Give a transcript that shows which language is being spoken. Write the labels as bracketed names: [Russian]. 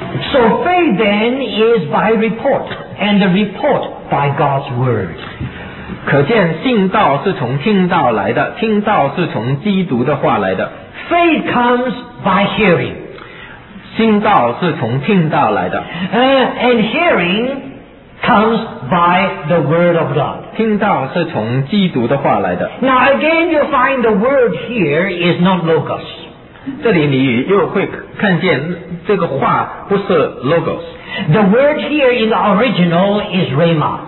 [English] So faith then is by report, and the report by God's word. [Chinese] 可见信道是从听道来的，听道是从基督的话来的。 [English] Faith comes by hearing. [Chinese] 信道是从听道来的。 [English] And hearing comes by the word of God. [Chinese] 听到是从基督的话来的。 [English] Now again you find the word here is not logos. [Chinese] 这里你又会看见这个话不是 logos. [English] The word here in the original is rhema.